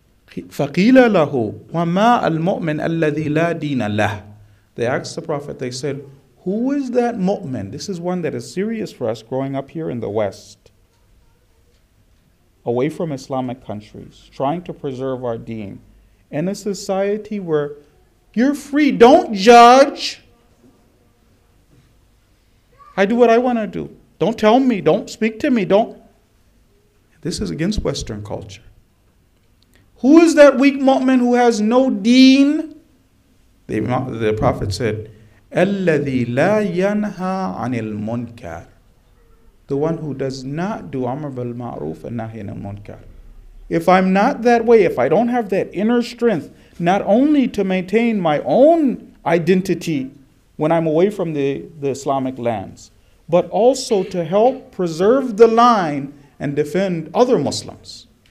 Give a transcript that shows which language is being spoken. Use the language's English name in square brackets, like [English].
[Arabic] فقيل له وما المؤمن الذي لا دين له. [English] They asked the Prophet, they said, who is that mu'min? This is one that is serious for us growing up here in the West, away from Islamic countries, trying to preserve our deen, in a society where you're free, don't judge. I do what I want to do. Don't tell me, don't speak to me, don't. This is against Western culture. Who is that weak mu'min who has no deen? The Prophet said, [Arabic] الَّذِي لَا يَنْهَى عَنِ الْمُنْكَرِ. [English] The one who does not do [Arabic] أَمْرَ بِالْمَعْرُوفِ وَنَهْيَ عَنِ الْمُنْكَرِ. [English] If I'm not that way, if I don't have that inner strength, not only to maintain my own identity when I'm away from the Islamic lands, but also to help preserve the line and defend other Muslims.